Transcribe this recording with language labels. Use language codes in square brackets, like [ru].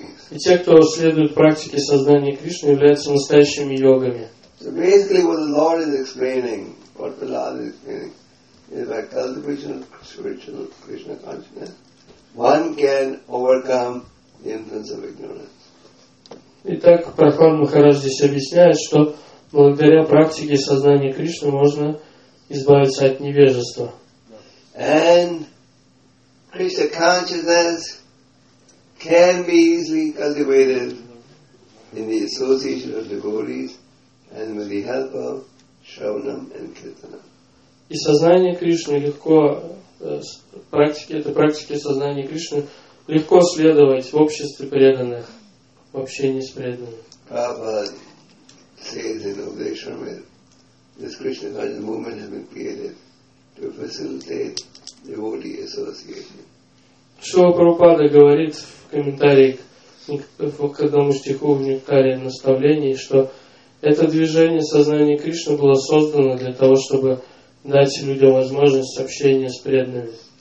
[ru] И те, кто следует практике сознания Кришны, являются настоящими йогами. [en] So basically, what the Lord is explaining, what the Lord is explaining, is by cultivation of spiritual Krishna consciousness, one can overcome the influence of ignorance. [ru] Итак, Прохлад Махарадж здесь объясняет, что благодаря практике сознания Кришны можно избавиться от невежества. [en] And Krishna consciousness can be easily cultivated in the association of devotees. And with the help of Shravanam and Kirtanam. [ru] И сознание Кришны легко, практике сознания Кришны легко следовать в обществе преданных, в общении с преданными. [en] Prabhupada says in Udeshwarmir, this Krishna consciousness movement has been created to facilitate devotee association. [ru] Шрила Прабхупада говорит в комментарии к к одному стиху в Нектаре наставлений, что это движение сознания Кришны было создано для того, чтобы дать людям возможность общения с преданными.